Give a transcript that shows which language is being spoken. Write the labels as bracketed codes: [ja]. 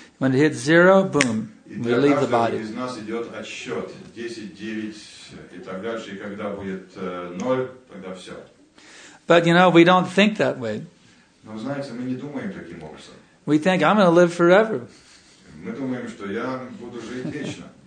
[en] When it hits zero, boom, we leave the body. [ru] Из нас идет отсчет: 10, 9, и так дальше. И когда будет ноль, тогда все. [en] But you know, we don't think that way. [ru] Но знаете, мы не думаем таким образом. [en] We think I'm going to live forever. [ru] Мы думаем, что я буду жить вечно.